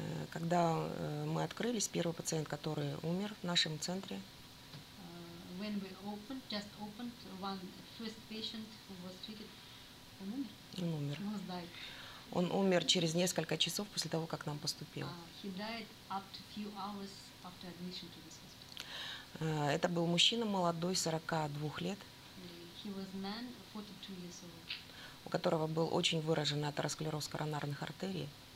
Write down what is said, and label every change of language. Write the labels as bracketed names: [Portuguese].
[Russian] Когда мы открылись, первый пациент, который умер в нашем центре. [English] When we opened, just opened, one first patient who was treated, [Russian] он умер? Он умер. [English] He was died. [Russian] Он умер через несколько часов после того, как нам поступил. [English] He died up to few hours after admission to this hospital. [Russian] Это был мужчина молодой, 42 лет. [English] He was man, 42 years old. [Russian] У которого был очень выраженный атеросклероз коронарных артерий.